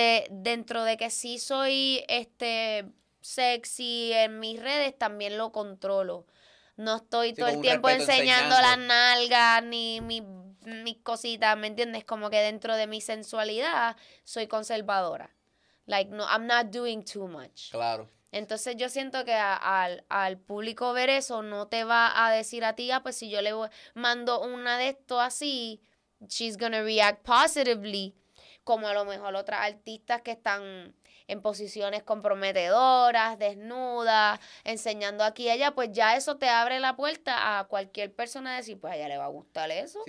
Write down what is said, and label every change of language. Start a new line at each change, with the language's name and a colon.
Spanish: Dentro de que sí soy sexy en mis redes, también lo controlo. No estoy todo el tiempo enseñando las nalgas ni mis cositas, ¿me entiendes? Como que dentro de mi sensualidad soy conservadora.
English: Like, no, I'm not doing too much.
Spanish: Claro. Entonces yo siento que al público ver eso no te va a decir a ti, pues si yo le mando una de esto así,
English: she's gonna react positively,
Spanish: como a lo mejor otras artistas que están en posiciones comprometedoras, desnudas, enseñando aquí y allá, pues ya eso te abre la puerta a cualquier persona a decir, pues a ella le va a gustar eso.